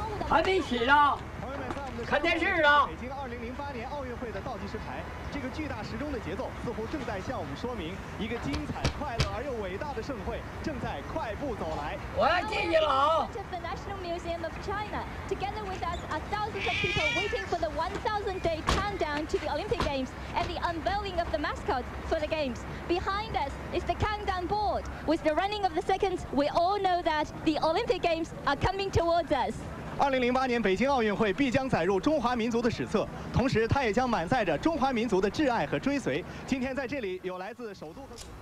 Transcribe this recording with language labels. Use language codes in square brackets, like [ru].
[zh] 还没起呢，朋友们，在我们的看电视呢。北京2008年奥运会的倒计时牌，这个巨大时钟的节奏似乎正在向我们说明，一个精彩、快乐而又伟大的盛会正在快步走来。我要进去了。 [en] To the National Museum of China, together with us are thousands of people waiting for the 1,000 day countdown to the Olympic Games and the unveiling of the mascot for the Games. Behind us is the countdown board. With the running of the seconds, we all know that the Olympic Games are coming towards us. [zh] 2008年北京奥运会必将载入中华民族的史册，同时它也将满载着中华民族的挚爱和追随。今天在这里有来自首都和